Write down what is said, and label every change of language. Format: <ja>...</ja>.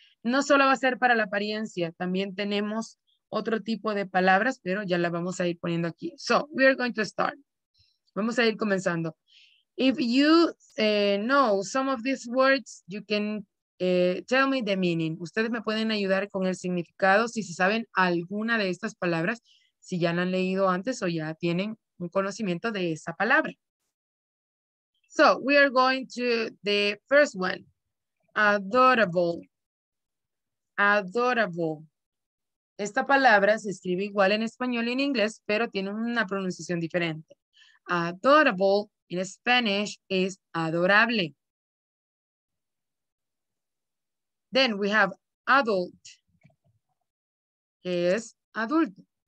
<es>No solo va a ser para la apariencia, también tenemos otro tipo de palabras, pero ya la vamos a ir poniendo aquí.</es> <en>So, we are going to start.</en> <es>Vamos a ir comenzando.</es> <en>If you know some of these words, you can tell me the meaning.</en> <es>Ustedes me pueden ayudar con el significado si se saben alguna de estas palabras, si ya la han leído antes o ya tienen un conocimiento de esa palabra.</es> <en>So, we are going to the first one. Adorable. Adorable.</en> <es>Esta palabra se escribe igual en español y en inglés, pero tiene una pronunciación diferente.</es> <en>Adorable in Spanish is adorable. Then we have adult,</en> <es>que es adulto.</es>